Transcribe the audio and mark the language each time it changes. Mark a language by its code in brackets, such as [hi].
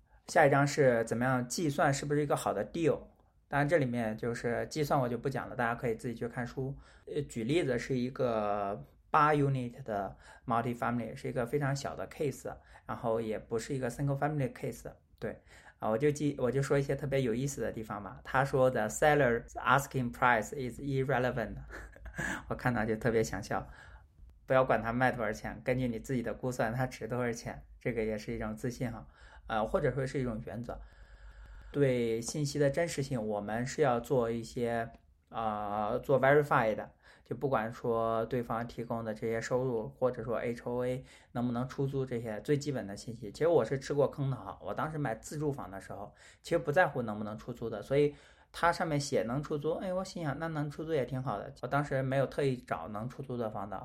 [zh] 下一章是怎么样计算是不是一个好的 deal？ 当然，这里面就是计算我就不讲了，大家可以自己去看书。举例子是一个八 unit 的 multifamily，是一个非常小的 case，然后也不是一个 single family case。对，啊，我就说一些特别有意思的地方吧。他说 [en] the seller's asking price is irrelevant， [zh] 我看到就特别想笑。不要管他卖多少钱，根据你自己的估算，他值多少钱，这个也是一种自信哈。或者说是一种原则，对信息的真实性，我们是要做一些做 verify 的，就不管说对方提供的这些收入，或者说 HOA 能不能出租这些最基本的信息。其实我是吃过坑的哈，我当时买自住房的时候，其实不在乎能不能出租的，所以它上面写能出租，哎，我心想那能出租也挺好的，我当时没有特意找能出租的房子。